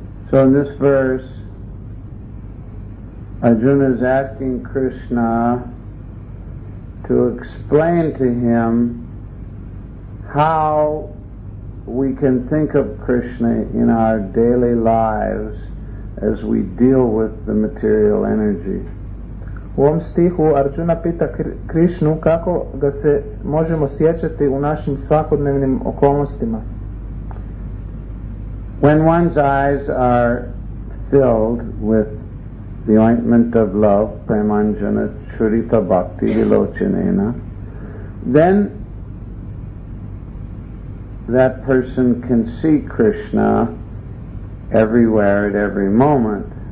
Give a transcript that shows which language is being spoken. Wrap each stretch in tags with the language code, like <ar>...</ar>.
<en>So in this verse, Arjuna is asking Krishna to explain to him how we can think of Krishna in our daily lives as we deal with the material energy.</en> <hr>U ovom stihu Arjuna pita Krišnu kako ga se možemo sjećati u našim svakodnevnim okolnostima.</hr> <en>When one's eyes are filled with the ointment of love,</en> <sa>premanjana churita bhakti vilochanena,</sa> <en>then that person can see Krishna everywhere at every moment.</en>